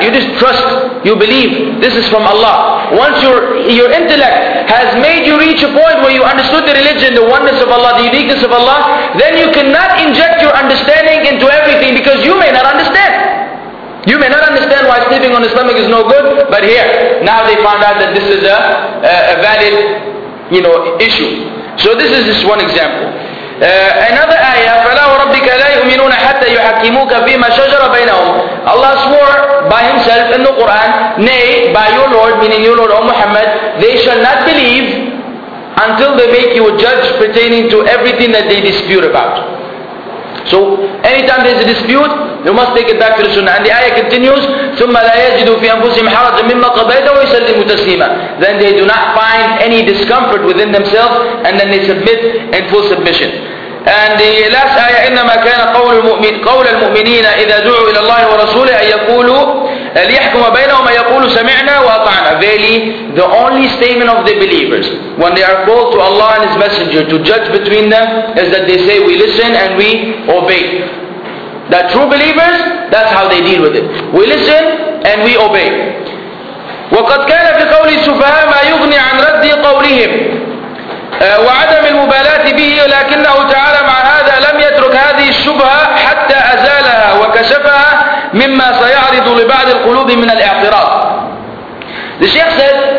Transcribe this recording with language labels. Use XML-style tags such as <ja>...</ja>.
<en>You just trust, you believe, this is from Allah. Once your intellect has made you reach a point where you understood the religion, the oneness of Allah, the uniqueness of Allah, then you cannot inject your understanding into everything because you may not understand. You may not understand why sleeping on the stomach is no good, but here, now they found out that this is a valid, you know, issue. So this is just one example. Another ayah,</en> <ar>فَلَا وَرَبِّكَ لَا يُؤْمِنُونَ حَتَّى يُحَكِّمُوكَ فِي مَا شَجَرَ بَيْنَهُمْ.</ar> <en>Allah swore by Himself in the Quran, nay, by your Lord, meaning your Lord, O Muhammad, they shall not believe until they make you a judge pertaining to everything that they dispute about. So, anytime there's a dispute, you must take it back to the Sunnah. And the ayah continues,</en> <ar>ثُمَّ لَا يَجِدُوا فِي أَنفُسِهِمْ حَرَجًا مِمَّا قَضَيْتَ وَيُسَلِّمُوا تَسْلِيمًا.</ar> <en>Then they do not find any discomfort within themselves, and then they submit in full submission. And the last ayah,</en> <ar>إِنَّمَا كَانَ قَوْلَ الْمُؤْمِنِينَ إِذَا دُعُوا إِلَى اللَّهِ وَرَسُولِهِ أَن يَقُولُوا لِيَحْكُمَ بَيْنَهُمَا يَقُولُوا سَمِعْنَا وَأَطَعْنَا.</ar> <en>Verily, the only statement of the believers, when they are called to Allah and His Messenger to judge between them, is that they say, we listen and we obey. That true believers, that's how they deal with it. We listen and we obey.</en> <ar>وَقَدْ كَانَ فِي قَوْلِ السُّفَهَاءَ مَا يُغْنِي عَنْ رَدِّ قَوْلِهِمْ وَعَدَمِ الْمُبَالَاةِ بِهِ وَلَكِنَّهُ تَعَالَى مَعَ هَذَا لَمْ يَتْرُكْ هَذِهِ الشُّبْهَةَ حَتَّى أَزَالَهَا وَكَشَفَهَا مِمَّا سَيَعْرِضُ لِبَعْضِ الْقُلُوبِ مِنَ الْإِعْتِرَاضِ.</ar> <en>The Sheikh said,</en>